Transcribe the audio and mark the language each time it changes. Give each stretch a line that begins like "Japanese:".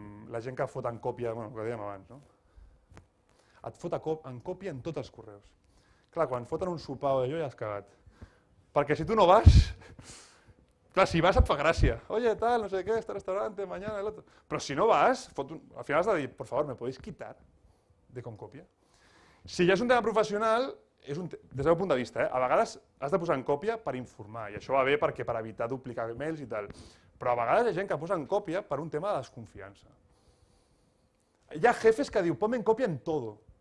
Catalan: la gent que fot en còpia, bueno, el que dèiem abans, no? Et fot en còpia en tots els correus. Clar, quan foten un sopar o d'allò ja has cagat. Perquè si tu no vas, clar, si vas et fa gràcia.
Spanish: Oye, tal, no sé què, este restaurante, mañana, el otro.
Catalan: Però si no vas, al final has de dir,
Spanish: por favor, ¿me podéis quitar de con còpia?
Catalan: Si ja és un tema professional, és un des del meu punt de vista, a vegades has de posar en còpia per informar, i això va bé perquè per evitar duplicar emails i tal. Però a vegades hi ha gent que posa en còpia per un tema de desconfiança. Hi ha jefes que diu,
Spanish: ponme en còpia en todo.